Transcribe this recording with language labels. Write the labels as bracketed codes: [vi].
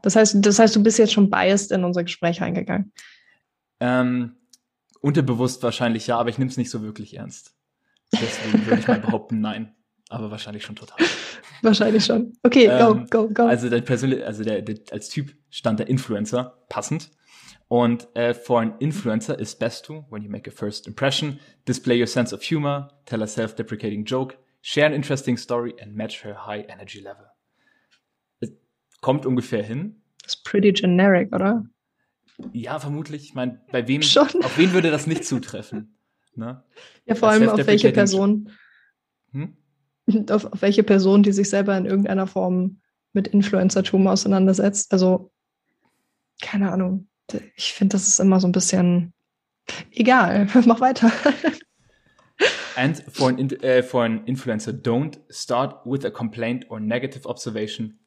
[de] Das heißt, du bist jetzt schon biased in unser Gespräch eingegangen. Unterbewusst wahrscheinlich ja, aber ich nehme es nicht so wirklich ernst. Deswegen würde ich mal behaupten, nein. Aber wahrscheinlich schon total. Wahrscheinlich schon. Okay, go. Also der als Typ stand der Influencer, passend. [en] Und for an influencer is best to, when you make a first impression, display your sense of humor, tell a self-deprecating joke, share an interesting story and match her high energy level. [de] Kommt ungefähr hin. Das ist [en] pretty generic, [de] oder? Ja, vermutlich. Ich meine, bei wem schon? Auf wen würde das nicht zutreffen? Ne? Ja, vor allem auf welche Person. Auf welche Person, die sich selber in irgendeiner Form mit Influencertum auseinandersetzt. Also, keine Ahnung. Ich finde, das ist immer so ein bisschen egal. Mach weiter. [en] And for an influencer, don't start with a complaint or negative observation.